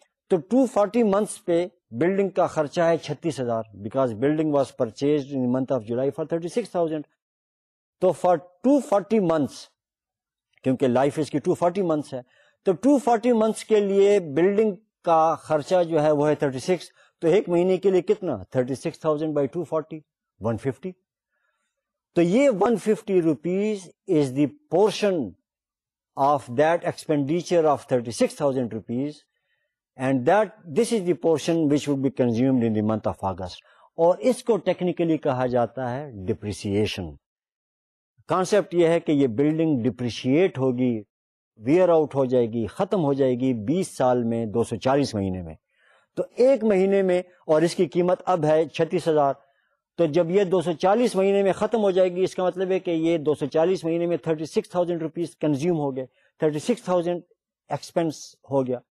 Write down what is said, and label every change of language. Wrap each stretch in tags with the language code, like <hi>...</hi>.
<ur>تو 240 منتھس پہ بلڈنگ کا خرچہ ہے 36,000,</ur> <en>Because building was purchased in month of July for 36,000.</en> <ur>تو فار 240 منتھس, کیونکہ لائف اس کی 240 منتھس ہے, تو 240 منتھس کے لیے بلڈنگ کا خرچہ جو ہے وہ ہے 36. تو ایک مہینے کے لیے کتنا؟ 36,000 بائی 240, 150.</ur> <en>تو یہ 150 rupees is the portion of that expenditure of 36,000 rupees, and that this is the portion which would be consumed in the month of August.</en> <ur>اور اس کو ٹیکنیکلی کہا جاتا ہے ڈپریسیشن. کانسیپٹ یہ ہے کہ یہ بلڈنگ ڈپریشیٹ ہوگی, ویئر آؤٹ ہو جائے گی, ختم ہو جائے گی 20 سال میں, 240 مہینے میں. تو ایک مہینے میں, اور اس کی قیمت اب ہے 36,000, تو جب یہ 240 مہینے میں ختم ہو جائے گی, اس کا مطلب ہے کہ یہ 240 مہینے میں 36,000 روپیز کنزیوم ہو گئے, 36,000 ایکسپینس ہو گیا.</ur>